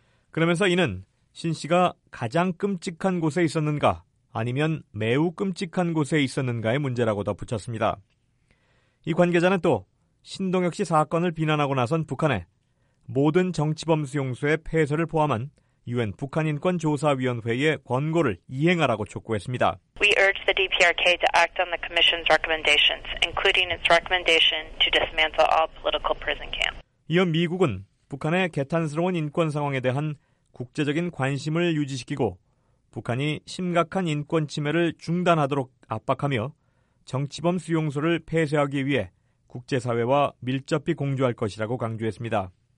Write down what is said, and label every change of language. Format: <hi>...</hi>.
<ko>그러면서 이는 신 씨가 가장 끔찍한 곳에 있었는가 아니면 매우 끔찍한 곳에 있었는가의 문제라고 덧붙였습니다. 이 관계자는 또 신동혁 씨 사건을 비난하고 나선 북한에 모든 정치범 수용소의 폐쇄를 포함한 UN 북한인권조사위원회의 권고를 이행하라고 촉구했습니다.</ko> <en>We urge the DPRK to act on the commission's recommendations, including its recommendation to dismantle all political prison camps.</en> <ko>이어 미국은 북한의 개탄스러운 인권 상황에 대한 국제적인 관심을 유지시키고 북한이 심각한 인권 침해를 중단하도록 압박하며 정치범 수용소를 폐쇄하기 위해 국제사회와 밀접히 공조할 것이라고 강조했습니다.</ko>